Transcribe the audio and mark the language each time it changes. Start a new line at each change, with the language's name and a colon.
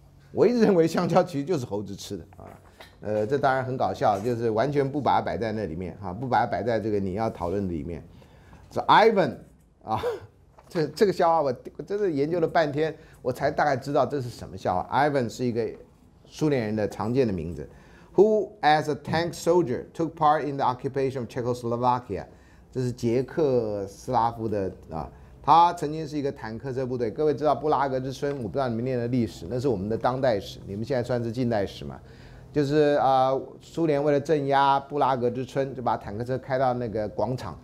Chinese: 我一直认为香蕉其实就是猴子吃的啊，这当然很搞笑，就是完全不把它摆在那里面啊，不把它摆在这个你要讨论的里面。 So Ivan， 啊，这个笑话我真的研究了半天，我才大概知道这是什么笑话。 Ivan 是一个苏联人的常见的名字。
English: Who, as a tank soldier, took part in the occupation of Czechoslovakia?
Chinese: 这是捷克斯拉夫的啊，他曾经是一个坦克车部队。各位知道布拉格之春？我不知道你们念的历史，那是我们的当代史，你们现在算是近代史嘛？就是苏联为了镇压布拉格之春，就把坦克车开到那个广场。